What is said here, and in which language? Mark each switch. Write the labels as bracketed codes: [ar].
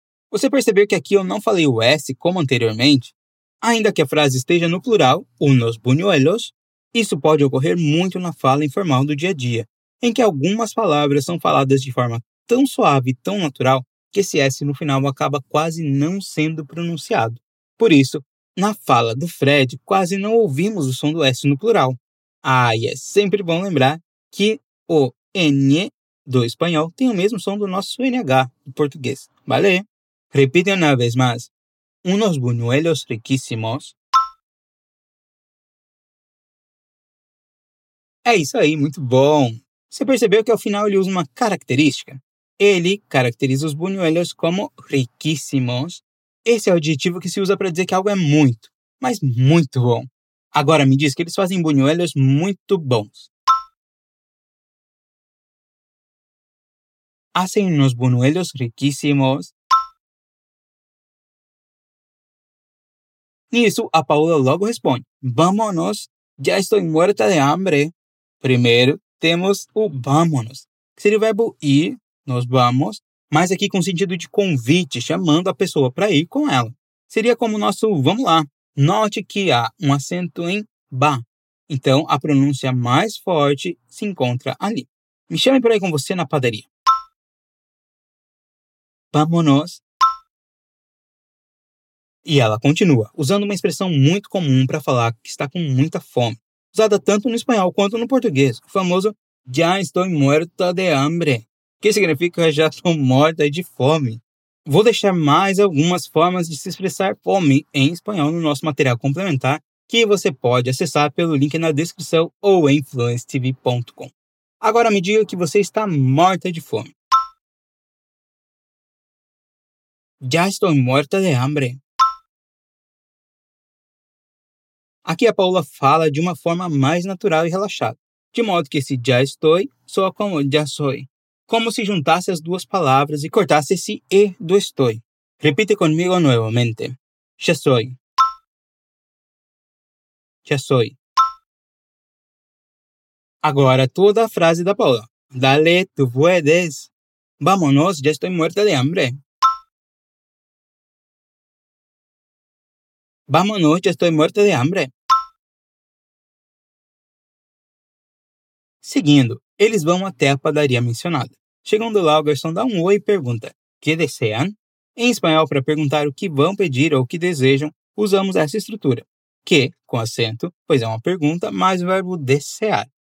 [pt] Você percebeu que aqui eu não falei o S como anteriormente? Ainda que a frase esteja no plural, [es] unos buñuelos, [pt] isso pode ocorrer muito na fala informal do dia a dia, em que algumas palavras são faladas de forma tão suave e tão natural que esse S no final acaba quase não sendo pronunciado. Por isso, na fala do Fred, quase não ouvimos o som do S no plural. Ah, e é sempre bom lembrar que o N do espanhol tem o mesmo som do nosso NH do português. [es] Vale? Repite una vez más. Unos buñuelos riquísimos. [pt] É isso aí, muito bom. Você percebeu que ao final ele usa uma característica? Ele caracteriza os buñuelos como riquíssimos. Esse é o adjetivo que se usa para dizer que algo é muito, mas muito bom. Agora me diz que eles fazem buñuelos muito bons. [es] Hacen unos buñuelos riquísimos. [pt] Nisso, a Paola logo responde, [es] vámonos, ya estoy muerta de hambre. [pt] Primeiro, temos o vámonos, que seria o verbo ir, [es] nos vamos, [pt] mas aqui com sentido de convite, chamando a pessoa para ir com ela. Seria como o nosso vamos lá. Note que há um acento em ba, então a pronúncia mais forte se encontra ali. Me chame para ir com você na padaria. [es] Vámonos. [pt] E ela continua, usando uma expressão muito comum para falar que está com muita fome, usada tanto no espanhol quanto no português, o famoso [es] Ya estoy muerta de hambre, [pt] que significa já estou morta de fome. Vou deixar mais algumas formas de se expressar fome em espanhol no nosso material complementar, que você pode acessar pelo link na descrição ou em fluencetv.com. Agora me diga que você está morta de fome. [es] Ya estoy muerta de hambre. [pt] Aqui a Paula fala de uma forma mais natural e relaxada, de modo que esse já estou soa como já soy, como se juntasse as duas palavras e cortasse esse e do estou. Repite comigo novamente. [es] Já soy. Já soy. [pt] Agora toda a frase da Paula. [es] Dale, tu puedes. Vámonos, ya estoy muerta de hambre. Vámonos, ya estoy muerta de hambre. [pt] Seguindo, eles vão até a padaria mencionada. Chegando lá, o garçom dá um oi e pergunta, [es] ¿Qué desean? [pt] Em espanhol, para perguntar o que vão pedir ou o que desejam, usamos essa estrutura. Que, com acento, pois é uma pergunta, mais o verbo desear.